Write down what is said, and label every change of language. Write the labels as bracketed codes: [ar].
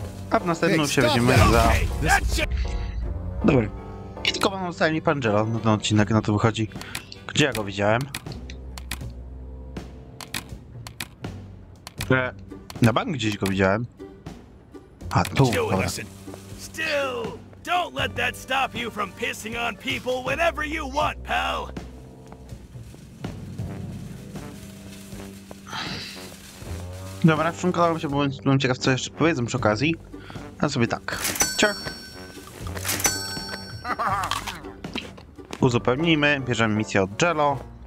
[pl] A w następnym się widzimy za... Dobry. I tylko mam zostaje mi pan Angelo na ten odcinek, na to wychodzi. Gdzie ja go widziałem? Na bank gdzieś go widziałem. A tu, dobra. [en] Still, don't let that stop you from pissing on people whenever you want, pal. [pl] Dobra, wczunkowałem się, bo byłem ciekaw, co jeszcze powiedzą przy okazji. A sobie tak. Ciach. Uzupełnijmy. Bierzemy misję od Jello.